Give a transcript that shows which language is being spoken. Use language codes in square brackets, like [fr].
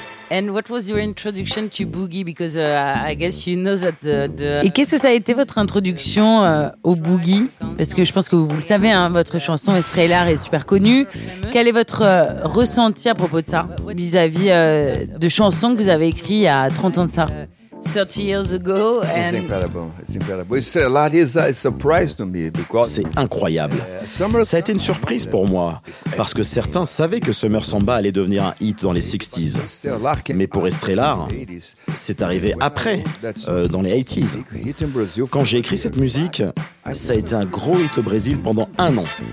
[en] And what was your introduction to boogie? Because I guess you know that the. [fr] Et qu'est-ce que ça a été votre introduction au boogie? Parce que je pense que vous le savez, hein, votre chanson Estrella est super connue. Quel est votre ressenti à propos de ça, vis-à-vis de chansons que vous avez écrites il y a 30 ans de ça? [en] 30 years ago. It's incredible. It's incredible. Stellar is a surprise to me because [fr] c'est incroyable. Summer, ça a été une surprise pour moi parce que certains savaient que Summer Samba allait devenir un hit dans les 60s. Mais pour Stellar, c'est arrivé après, dans les 80s. Quand j'ai écrit cette musique, ça a été un gros hit au Brésil pendant un an.